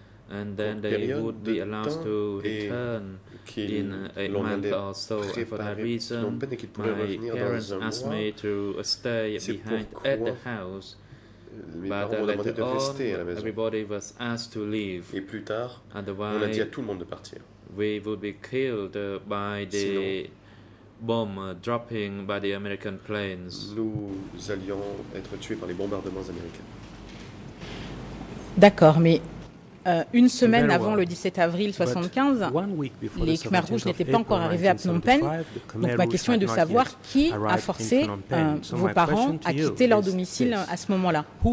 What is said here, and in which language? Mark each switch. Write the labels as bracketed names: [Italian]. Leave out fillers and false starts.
[English] and then they would be allowed to return in a month or so. And for that reason, my parents asked me to stay behind at the house. But later on, everybody was asked to leave. [French] Et plus tard, [English] otherwise, [French] on a dit à tout le monde de partir. [English] We would be killed by the bomb dropping by the American planes. [French] Nous allions être tués par les bombardements américains. D'accord, mais une semaine avant le 17 avril 1975, les Khmer Rouges n'étaient pas encore arrivés à Phnom Penh. Donc ma question est de savoir qui a forcé vos parents à quitter leur domicile à ce moment-là.